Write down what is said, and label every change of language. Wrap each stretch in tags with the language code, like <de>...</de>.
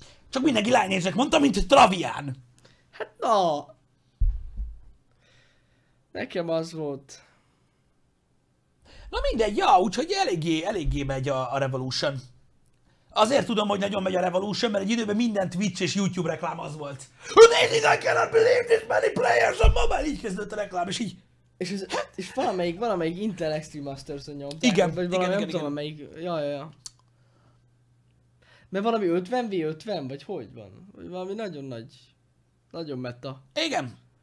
<hu>Csak mindenki Lineage-nek mondta, mint Travian. Hát na. Nekem az volt. Na mindegy, ja, úgyhogy eléggé megy a Revolution. Azért tudom, hogy nagyon megy a Revolution, mert egy időben minden Twitch és YouTube reklám az volt.</hu> <en>Nézd, I cannot believe this many players on mobile!</en> <hu>Így kezdődött a reklám, és így... És, ez, hát? És valamelyik Intel Extreme Masters-on nyomták. Igen, vagy valami, nem tudom, melyik... Ja. Mert valami 50v50, vagy hogy van? Vagy valami nagyon nagy... Nagyon meta. Igen.</hu>